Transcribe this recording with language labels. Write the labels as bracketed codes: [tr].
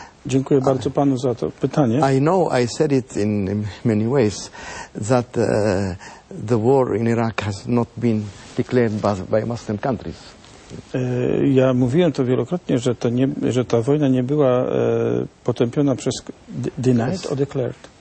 [pl] Dziękuję bardzo panu za to pytanie. [en] I know I said it in many ways that the war in Iraq has not been declared by Muslim countries. [pl] Ja mówiłem to wielokrotnie, że ta wojna nie była potępiona przez [en] denied or declared.